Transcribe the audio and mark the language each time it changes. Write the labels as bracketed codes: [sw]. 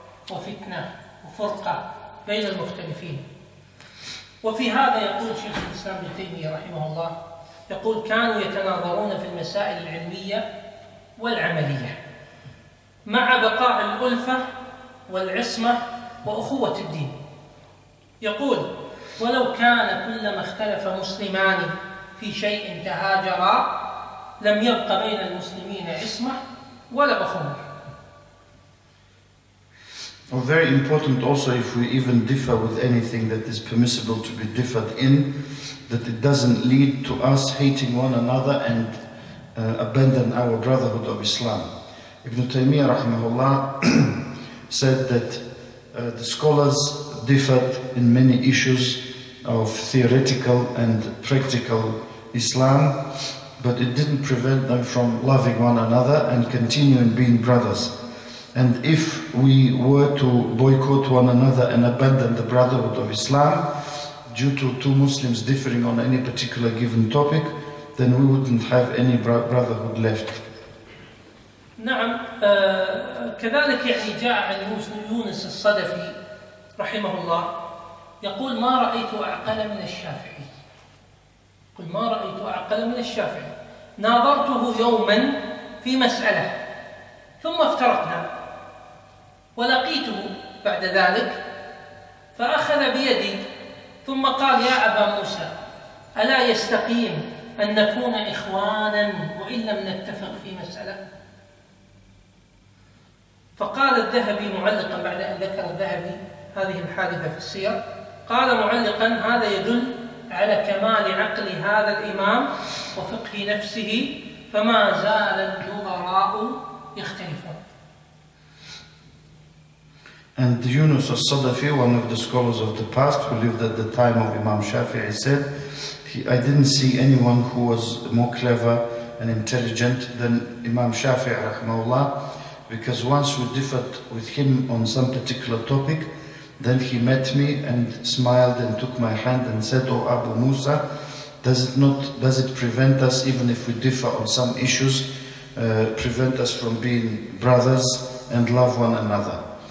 [ar] وفتنة وفرقة بين المختلفين وفي هذا يقول شيخ الإسلام ابن تيمية رحمه الله يقول كانوا يتناظرون في المسائل العلمية والعملية مع بقاء الألفة والعصمة وأخوة الدين يقول ولو كان كلما اختلف مسلمان في شيء تهاجرا لم يبق بين المسلمين عصمة ولا أخوة. [en] Oh, very important also, if we even differ with anything that is permissible to be differed in, that it doesn't lead to us hating one another and abandon our brotherhood of Islam. Ibn Taymiyyah rahimahullah said that the scholars differed in many issues of theoretical and practical Islam, but it didn't prevent them from loving one another and continuing being brothers. And if we were to boycott one another and abandon the brotherhood of Islam due to two Muslims differing on any particular given topic, then we wouldn't have any brotherhood left. [ar] نعم كذلك يعني جاء عن يونس الصدفي رحمه الله يقول ما رأيت أعقل من الشافعي قل ما رأيت أعقل من الشافعي ناظرته يوما في مسألة ثم افترقنا ولقيته بعد ذلك فأخذ بيدي ثم قال يا أبا موسى ألا يستقيم أن نكون إخوانا وإن لم نتفق في مسألة فقال الذهبي معلقا بعد أن ذكر الذهبي هذه الحادثة في السير قال معلقا هذا يدل على كمال عقل هذا الإمام وفقه نفسه فما زال النظراء يختلفون. [en] And Yunus al-Sadafi, one of the scholars of the past who lived at the time of Imam Shafi'i, said, I didn't see anyone who was more clever and intelligent than Imam Shafi'i rahmahullah, because once we differed with him on some particular topic, then he met me and smiled and took my hand and said, "Oh Abu Musa, does it prevent us, even if we differ on some issues, prevent us from being brothers and love one another?"